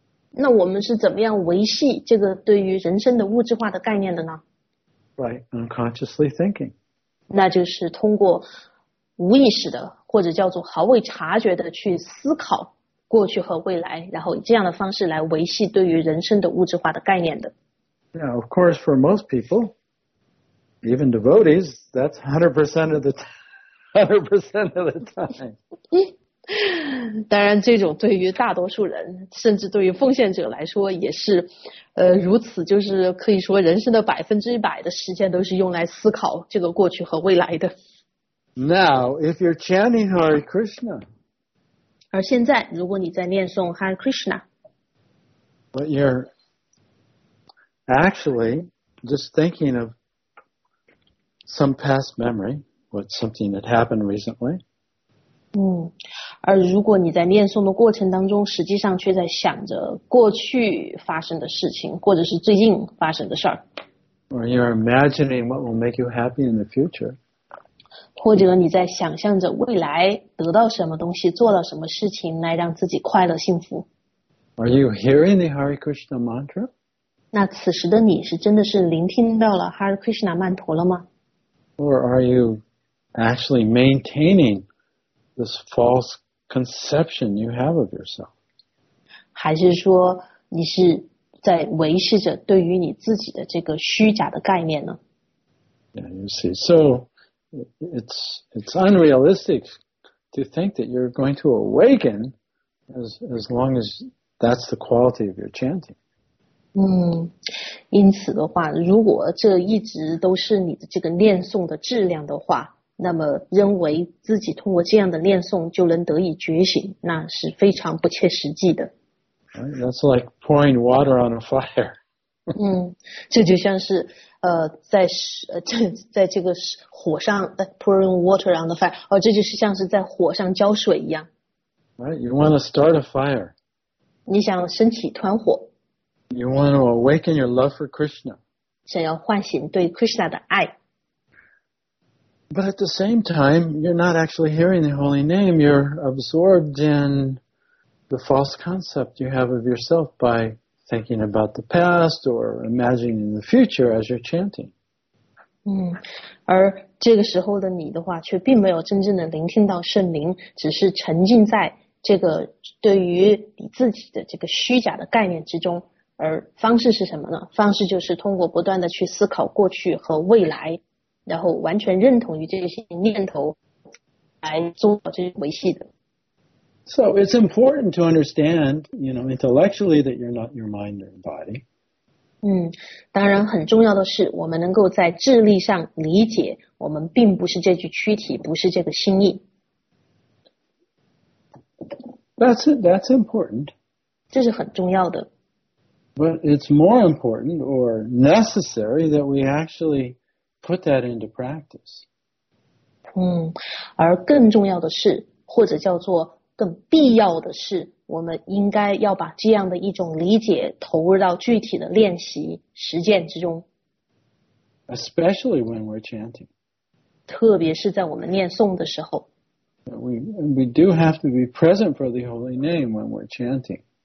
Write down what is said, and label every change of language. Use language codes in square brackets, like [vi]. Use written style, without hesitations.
[zh] 那我们是怎么样维系这个对于人生的物质化的概念的呢？ [en] Right, unconsciously thinking. [zh] 那就是通过无意识的或者叫做毫未察觉的去思考过去和未来，然后以这样的方式来维系对于人生的物质化的概念的。 [en] Now, of course, for most people, even devotees, that's 100% of the time. 100% of the time. [zh] 当然这种对于大多数人甚至对于奉献者来说也是如此，就是可以说人生的100%的时间都是用来思考这个过去和未来的。 [en] Now, if you're chanting Hare Krishna, [zh] 而现在如果你在念诵 Hare Krishna, [en] but you're actually just thinking of some past memory, what's something that happened recently, [zh] 而如果你在念诵的过程当中实际上却在想着过去发生的事情或者是最近发生的事儿。 [en] Or you're imagining what will make you happy in the future. [zh] 或者你在想象着未来得到什么东西做到什么事情来让自己快乐幸福。 [en] Are you hearing the Hare Krishna mantra? [zh] 那此时的你是真的是聆听到了 Hare Krishna 曼陀了吗？ [en] Or are you actually maintaining this false conception you have of yourself? [zh] 还是说你是在维系着对于你自己的这个虚假的概念呢？ [en] Yeah, you see. So it's unrealistic to think that you're going to awaken as long as that's the quality of your chanting. [zh] 因此的话，如果这一直都是你的这个念诵的质量的话，那么认为自己通过这样的念诵就能得以觉醒，那是非常不切实际的。 [en] That's like pouring water on a fire. [zh] 这就像是在这个火上 [en] pouring water on the fire. [zh] 这就是像是在火上浇水一样。 [en] Right, you want to start a fire. [zh] 你想升起一团火。 [en] You want to awaken your love for Krishna. [zh] 想要唤醒对 Krishna 的爱。 [en] But at the same time, you're not actually hearing the holy name. You're absorbed in the false concept you have of yourself by thinking about the past or imagining the future as you're chanting. [zh] 而这个时候的你的话却并没有真正的聆听到圣灵，只是沉浸在这个对于你自己的这个虚假的概念之中。而方式是什么呢？方式就是通过不断的去思考过去和未来，然后完全认同于这些念头来做这些维系的。 [en] So it's important to understand, you know, intellectually that you're not your mind and body. [zh] 当然很重要的是我们能够在智力上理解我们并不是这具躯体，不是这个心意。 [en] That's important. [zh] 这是很重要的。 [en] But it's more important or necessary that we actually put that into practice. [zh] 而更重要的是，或者叫做更必要的是，我们应该要把这样的一种理解投入到具体的练习实践之中。 [en] Especially when we're chanting. [zh] 特别是在我们念诵的时候。 [en] We do have to be present for the holy name when we're chanting.